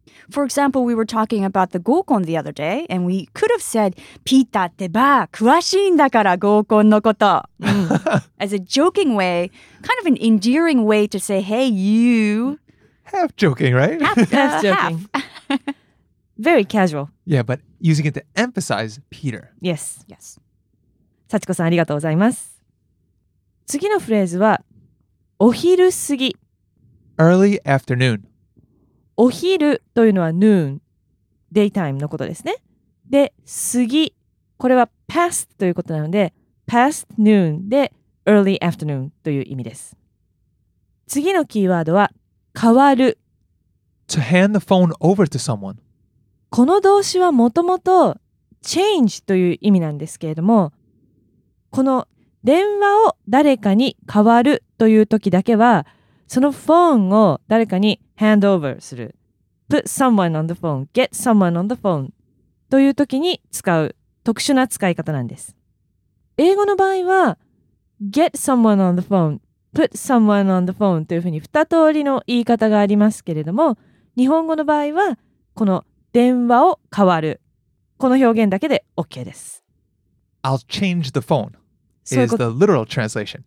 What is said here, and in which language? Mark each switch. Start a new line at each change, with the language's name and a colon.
English: For example, we were talking about the gokon the other day, and we could have said,
Japanese: Pita te ba, kuwashii in da kara gokon no koto.
English: As a joking way, kind of an endearing way to say, hey, you. Half joking, right? Half joking. Very casual. Yeah, but using it to emphasize Peter. Yes. Yes.
Japanese: Sachiko-san, arigatou gozaimasu. 次のフレーズはお昼過ぎ
English: Early afternoon
Japanese: お昼というのは noon daytime のことですねで過ぎこれは past ということなので past noon で
English: early afternoon
Japanese: という意味です次のキーワードは変わる
English: To hand the phone over to someone
Japanese: この動詞はもともと change という意味なんですけれどもこの電話を誰かに変わるという時だけは、そのフォンを誰かに hand over する。
English: put someone on the phone, get someone on the phone
Japanese: という時に使う特殊な使い方なんです。英語の場合は、
English: get someone on the phone,
Japanese: put someone on the phone というふうに二通りの言い方がありますけれども、日本語の場合は、この電話を変わる。この表現だけで OK です。
English: I'll change the phone. Is the literal translation.